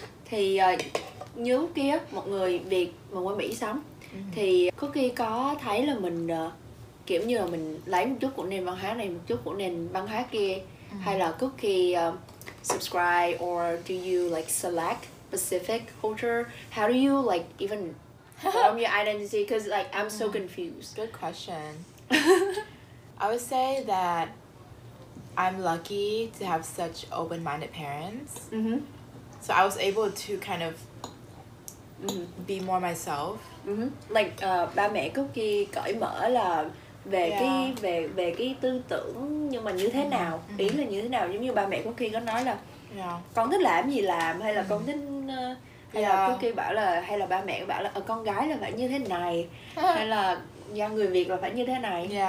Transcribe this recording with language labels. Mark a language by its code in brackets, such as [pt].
[vi] Thì nhớ kia một người Việt mà qua Mỹ sống thì có khi có thấy là mình kiểu như là mình lấy một chút của nền văn hóa này, một chút của nền văn hóa kia, hay là có khi [en] subscribe or do you like select specific culture? How do you like even form your identity? Because like I'm so confused. Good question. I would say that I'm lucky to have such open-minded parents. So I was able to kind of be more myself. [vi] Like ba mẹ Cookie cởi mở là về cái về cái tư tưởng nhưng mà như thế nào, ý là như thế nào, giống như ba mẹ Cookie có nói là con thích làm gì làm, hay là con thích hay là Cookie bảo là, hay là ba mẹ bảo là con gái là phải như thế này, hay là do người Việt là phải như thế này.